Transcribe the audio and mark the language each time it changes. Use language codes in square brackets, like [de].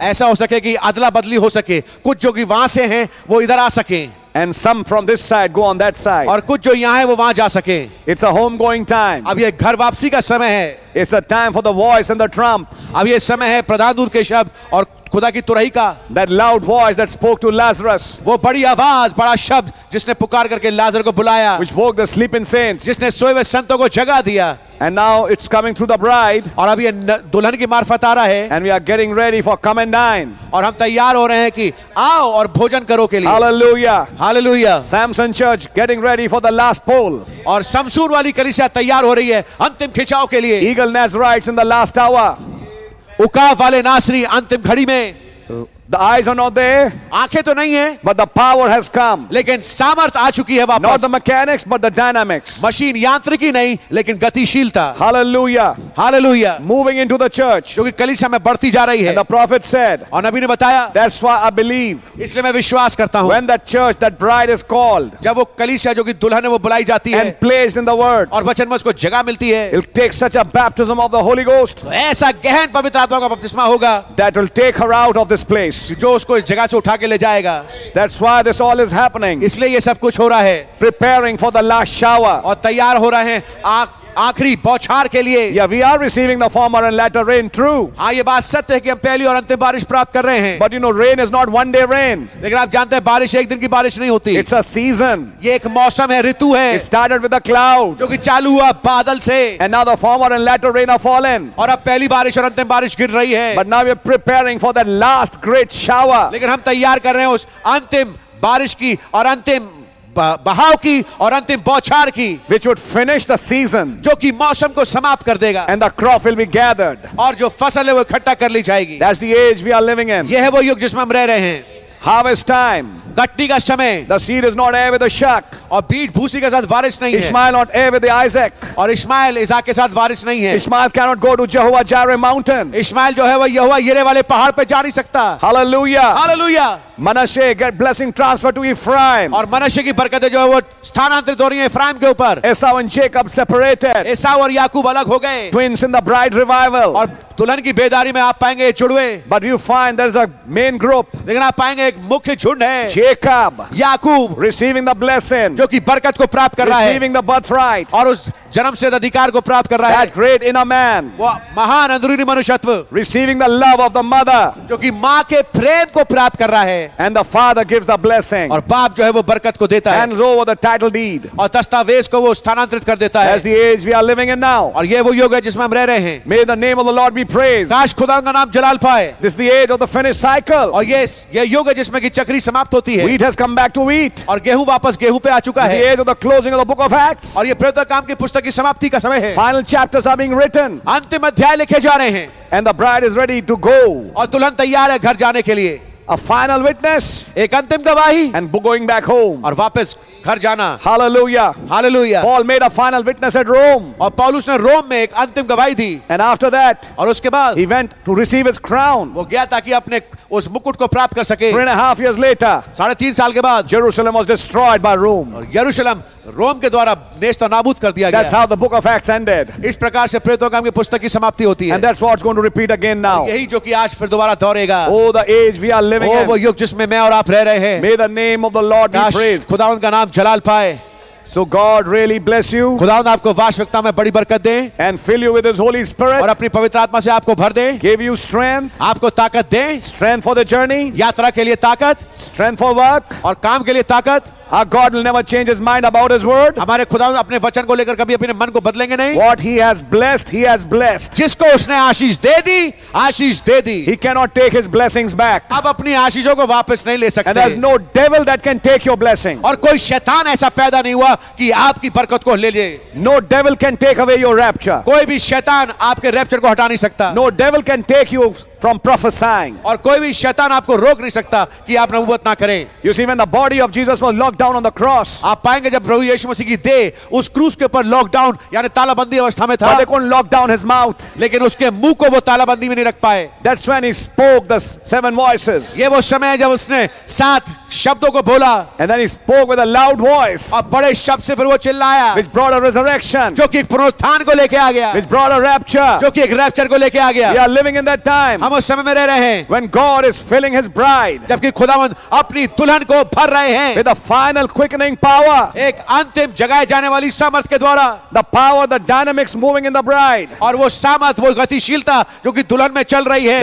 [hi] ऐसा हो सके कि अदला बदली हो सके. कुछ जो कि वहां से हैं वो इधर आ सके. [en] And some from this side go on that side. [hi] और कुछ जो यहाँ है वो वहाँ जा सके. [en] It's a homegoing time. [hi] अब ये घर वापसी का समय है. [en] It's a time for the voice and the trump. [hi] अब ये समय है प्रधान दूत के शब्द और खुदा की तुरही का. [en] That loud voice that spoke to Lazarus. [hi] वो बड़ी आवाज बड़ा शब्द जिसने पुकार करके लाजर को बुलाया. [en] Which woke the sleeping saints. [hi] जिसने सोए हुए संतों को जगा दिया. [en] And now it's coming through the bride. [hi] और अभी दुल्हन की मार्फत आ रहा है. [en] And we are getting ready for come and dine. [hi] और हम तैयार हो रहे हैं कि आओ और भोजन करो के लिए. [en] Hallelujah. Hallelujah. Samson Church getting ready for the last poll. [hi] और समसूर वाली कलीसिया तैयार हो रही है अंतिम खिंचाव के लिए. [en] Eagle Nazarites in the last hour. [hi] उकाब वाले नासरी अंतिम घड़ी में. [en] The eyes are not there. [hi] आंखें तो नहीं है. [en] But the power has come. [hi] लेकिन सामर्थ आ चुकी है वापस. [en] Not the mechanics, but the dynamics. [hi] Machine यांत्रिकी नहीं लेकिन गतिशीलता. [en] Hallelujah. Hallelujah. Moving into the church. [hi] क्योंकि कलीसिया में बढ़ती जा रही है. [en] And the prophet said. [hi] और नबी ने बताया. [en] That's why I believe. [hi] इसलिए मैं विश्वास करता हूँ. [en] When that church, that bride is called. [hi] जब वो कलीसिया जो कि दुल्हन है वो बुलाई जाती है. [en] And placed in the word. [hi] और वचन में उसको जगह मिलती है. [en] It'll take such a baptism of the Holy Ghost. [hi] ऐसा गहन पवित्र आत्मा का बपतिस्मा होगा. [en] That will take her out of this place. [hi] जो उसको इस जगह से उठा के ले जाएगा. [en] That's why this all is happening. [hi] इसलिए ये सब कुछ हो रहा है. [en] Preparing for the last shower. [hi] और तैयार हो रहा है आखिरी बौछार के लिए. [en] Yeah, we are receiving the former and latter rain, true. [hi] हाँ, ये बात सत्य है कि हम पहली और अंतिम बारिश प्राप्त कर रहे हैं. [en] But you know, rain is not one day rain. [hi] लेकिन आप जानते हैं बारिश एक दिन की बारिश नहीं होती. [en] It's a season. [hi] ये एक मौसम है, ऋतु है. [en] It started with a cloud. [hi] जो कि चालू हुआ बादल से. [en] And now the former and latter rain are fallen. [hi] और अब पहली बारिश और अंतिम बारिश गिर रही है. [en] But now we are preparing for that last great shower. [hi] लेकिन हम तैयार कर रहे हैं उस अंतिम बारिश की और अंतिम बहाव की और अंतिम बौछार की. [en] Which would finish the season. [hi] जो कि मौसम को समाप्त कर देगा. [en] And the crop will be gathered. [hi] और जो फसल है वो इकट्ठा कर ली जाएगी. [en] That's the age we are living in. [hi] यह है वो युग जिसमें हम रह रहे हैं. [en] Harvest time. [hi] गट्टी का समय. [en] The seed is not air with the shuck. [hi] और बीज भूसी के साथ वारिस नहीं है. [en] Ishmael not air with the Isaac. [hi] और इश्माइल इसाक के साथ वारिस नहीं है. [en] Ishmael cannot go to Jehovah Jireh mountain. [hi] Ishmael जो है वह यहोवा यिरे वाले पहाड़ पे जा नहीं सकता. [en] Hallelujah. Hallelujah. Manasseh get blessing transfer to Ephraim. [hi] और मनशे की बरकतें जो है वो स्थानांतरित हो रही है इफ्राइम के ऊपर. [en] Esau and Jacob separated. [hi] Esau और याकूब अलग हो गए. [en] Twins in the bride revival. [hi] और दुल्हन की बेदारी में आप पाएंगे जुड़वे. [en] But you find there's a main group. [hi] लेकिन आप पाएंगे एक मुख्य झुंड है. [en] Jacob. [hi] Yakub. [en] Receiving the blessing. [hi] जो कि बरकत को प्राप्त कर रहा है. [en] Receiving the birthright. [hi] और उस जन्म से अधिकार को प्राप्त कर रहा है. [en] That great inner man. [hi] वो महान अंदरूनी मनुष्यत्व. [en] Receiving the love of the mother. [hi] जो कि माँ के प्रेम को प्राप्त कर रहा है. [en] And the father gives the blessing. [hi] और बाप जो है वो बरकत को देता है. [en] Hands over the title deed. [hi] और दस्तावेज को वो स्थानांतरित कर देता है. [en] As the age we are living in now. [hi] और ये वो युग है जिसमें हम रह रहे हैं. [en] May the name of the Lord be praised. [hi] काश खुदा का नाम जलाल पाए. [en] This is the age of the finished cycle. [hi] और [en] yes, [hi] ये युग है जिसमें की चक्री समाप्त होती है. [en] Wheat has come back to wheat. [hi] और गेहूं वापस गेहूं पे आ चुका है. [en] The age of the closing of the book of Acts. [hi] और ये प्रेरितों के काम की पुस्तक की समाप्ति का समय है. [en] Final chapters are being written. [hi] अंतिम अध्याय लिखे जा रहे हैं. [en] And the bride is ready to go. [hi] और दुल्हन तैयार है घर जाने के लिए. [en] A final witness, [hi] एक अंतिम गवाही, [en] and going back home, [hi] और वापस घर जाना. [en] Hallelujah, Hallelujah. Paul made a final witness at Rome, [hi] और पौलुस ने रोम में एक अंतिम गवाही दी. [en] And after that, [hi] और उसके बाद, [en] he went to receive his crown, [hi] वो गया ताकि अपने उस मुकुट को प्राप्त कर सके. [en] 3.5 years later, [hi] साढ़े तीन साल के बाद, [en] Jerusalem was destroyed by Rome, [hi] और यरूशलेम रोम के द्वारा नेस्तनाबूद कर दिया [en] that's [hi] गया. [en] That's how the book of Acts ended. [hi] इस प्रकार से प्रेरितों काम की पुस्तक की समाप्ति होती है. [en] And that's what's going to repeat again now. [hi] यही जो कि आज फिर दोबारा दोहरेगा. [en] Oh, the age we are living in. [hi] वो युग जिसमें मैं और आप रह रहे हैं. [en] May the name of the Lord be praised. [hi] खुदावन का नाम जलाल पाए. [en] So God really bless you. [hi] खुदावन आपको वास्तविकता में बड़ी बरकत दे. [en] And fill you with His Holy Spirit. [hi] और अपनी पवित्र आत्मा से आपको भर दे. [en] Give you strength. [hi] आपको ताकत दे. [en] Strength for the journey. [hi] यात्रा के लिए ताकत. [en] Strength for work. [hi] और काम के लिए ताकत. [en] Our God will never change His mind about His word. [hi] हमारे खुदा अपने वचन को लेकर कभी अपने मन को बदलेंगे नहीं. [en] What He has blessed, [hi] जिसको उसने आशीष दे दी, [en] He cannot take His blessings back. [hi] अब अपनी आशीषों को वापस नहीं ले सकते. [en] And there's no devil that can take your blessing. [hi] और कोई शैतान ऐसा पैदा नहीं हुआ कि आपकी बरकत को ले ले. [en] No devil can take away your rapture. [hi] कोई भी शैतान आपके रैप्चर को हटा नहीं सकता. [en] No devil can take you from prophesying. [hi] और कोई भी शैतान आपको रोक नहीं सकता कि आप नबूवत ना करें. [en] You see, when the body of Jesus was locked down on the cross. [hi] आप पाएंगे जब प्रभु यीशु मसीह की देह उस क्रूस के ऊपर लॉकडाउन यानी तालाबंदी अवस्था में था. [en] But they couldn't lock down his mouth. [hi] लेकिन उसके मुंह को वो तालाबंदी में नहीं रख पाए. [en] That's when he spoke the seven voices. [hi] ये वो समय है जब उसने सात शब्दों को बोला. [en] And then he spoke with a loud voice. [hi] और बड़े शब्द से फिर वो चिल्लाया. [en] Which brought a resurrection. [hi] जो कि पुनरुत्थान को लेके आ गया. [en] Which brought a rapture. [hi] जो कि एक रैप्चर को लेके आ गया. [en] We are living in that time. [hi] हम उस समय में रह रहे हैं. [en] When God is filling his bride. [hi] जबकि खुदावंद अपनी दुल्हन को भर रहे हैं. [en] With a final quickening power. [hi] एक अंतिम जगाए जाने वाली सामर्थ के द्वारा. [en] The power, the dynamics moving in the bride. [hi] और वो सामर्थ, वो गतिशीलता जो कि दुल्हन में चल रही है.